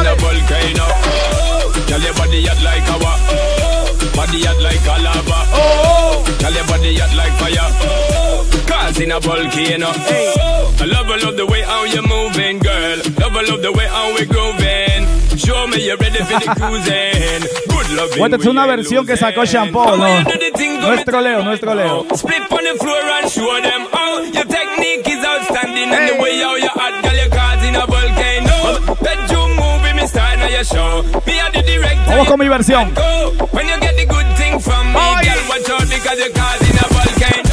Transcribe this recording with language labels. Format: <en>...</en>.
<en>In a volcano. Oh, girl, your body hot like a wa. Oh, body hot like a lava. Oh, girl, your body hot like fire. Oh, cause in a volcano. Hey. I love, love the way how you're moving, girl. Love, love the way how we're grooving. Show me you're ready for the cruising. Good</en> <es>Bueno, esta es una versión que sacó Sean Paul, ¿no? Nuestro Leo, nuestro Leo.</es> <en>Split on the floor and show them how your technique is outstanding. And the way how you add all your cards in a volcano. Bedroom movie, me sign on your show. Me and the director.</en> <es>Vamos con mi versión.</es> <en>When you get the good thing from me, girl, watch out because your cards in a volcano.</en>